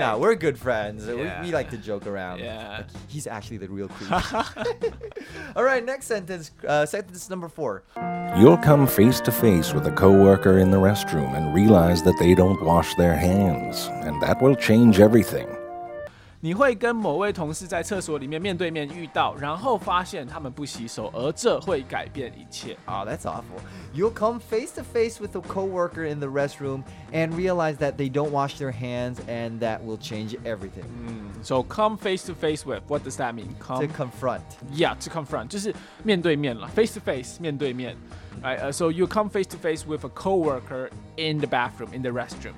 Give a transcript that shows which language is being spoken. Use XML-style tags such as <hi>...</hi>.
<en>Now, we're good friends.、Yeah. We like to joke around. Yeah. Like, he's actually the real creep. All right, next sentence. Sentence number four. You'll come face to face with a coworker in the restroom and realize that they don't wash their hands, and that will change everything.</en> <zh>你会跟某位同事在厕所里面面对面遇到，然后发现他们不洗手，而这会改变一切。</zh> <en>Oh, that's awful. You'll come face to face with a coworker in the restroom and realize that they don't wash their hands, and that will change everything. So come face to face with, what does that mean? Come, to confront. Yeah, to confront,</en> <zh>就是面对面了</zh> <en>face to face,</en> <zh>面对面。</zh> <en>Right, so you come face to face with a coworker in the bathroom, in the restroom.</en>